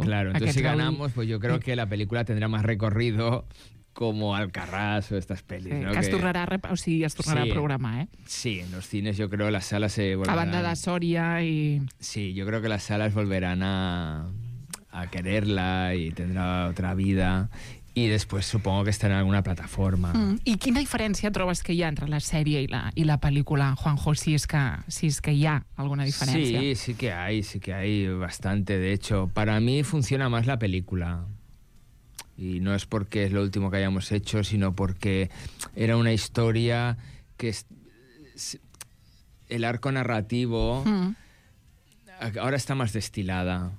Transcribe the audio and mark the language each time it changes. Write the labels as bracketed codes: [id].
[es] Claro, entonces si ganamos, pues yo creo que la película tendrá más recorrido como Alcarràs o estas pelis, sí, ¿no? [ca] Que es tornarà, o sigui, es tornarà, sí, a programar, ¿eh? [es] Sí, en los cines yo creo las salas se volverán... A banda de Soria y... Sí, yo creo que las salas volverán a quererla y tendrá otra vida. Y después supongo que estará en alguna plataforma. [ca] ¿Y quina diferència trobes que hi ha entre la sèrie i la pel·lícula, Juanjo, si és que hi ha alguna diferència? [es] Sí, sí que hay bastante. De hecho, para mí funciona más la película. Y no es porque es lo último que hayamos hecho, sino porque era una historia que el arco narrativo ahora está más destilada.